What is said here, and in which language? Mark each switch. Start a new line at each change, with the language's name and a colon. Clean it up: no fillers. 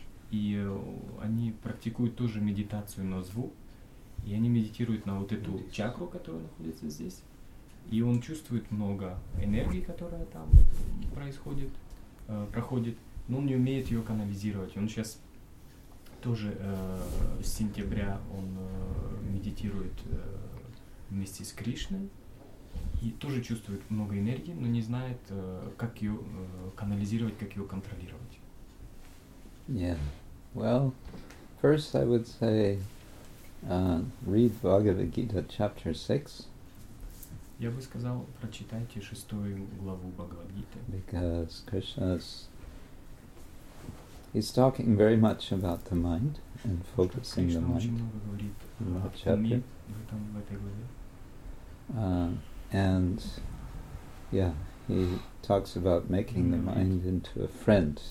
Russian: И они практикуют тоже медитацию на звук, и они медитируют на вот эту чакру, которая находится здесь, и он чувствует много энергии, которая там происходит, проходит, но он не умеет ее канализировать. Он сейчас тоже с сентября он медитирует вместе с Кришной и тоже чувствует много энергии, но не знает, как ее канализировать, как ее контролировать.
English: Yeah. Well, first I would say read Bhagavad Gita chapter 6.
Russian: Я бы сказал, прочитайте шестую главу Бхагавад Гиты.
English: Because Krishna is talking very much about the mind and focusing the mind.
Russian: Krishna очень много говорит о уме в этом, в этой главе.
English: And yeah, he talks about making the mind into a friend.